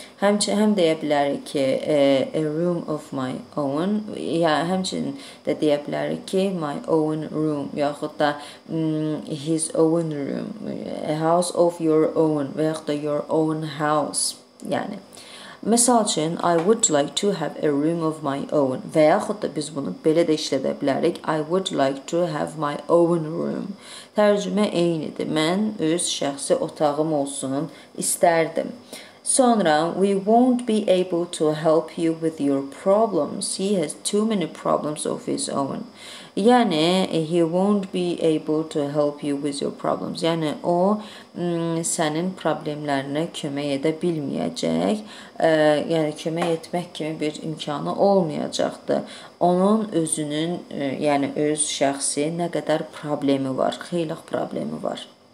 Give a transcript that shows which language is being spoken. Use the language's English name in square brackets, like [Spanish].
[Azerbaijani] Həm deyə bilərik ki, [English] a room of my own, [Azerbaijani] yəni, həmçinin də deyə bilərik ki, [English] my own room, [Azerbaijani] yaxud da [English] his own room, a house of your own, [Azerbaijani] və yaxud da [English] your own house, yəni. [Azerbaijani] Məsəl üçün, [English] I would like to have a room of my own. [Azerbaijani] Və yaxud da biz bunu belə də işlədə bilərik. [English] I would like to have my own room. [Azerbaijani] Tərcümə eynidir. Mən öz şəxsi otağım olsun istərdim. Sonra, [English] we won't be able to help you with your problems. He has too many problems of his own. [Azerbaijani] Yəni, [English] he won't be able to help you with your problems. [Azerbaijani] Yəni, o, sənin problemlərinə kömək edə bilməyəcək. Yəni, kömək etmək kimi bir imkanı olmayacaqdır. Onun özünün, yəni, öz şəxsi nə qədər problemi var, xeylik problemi var.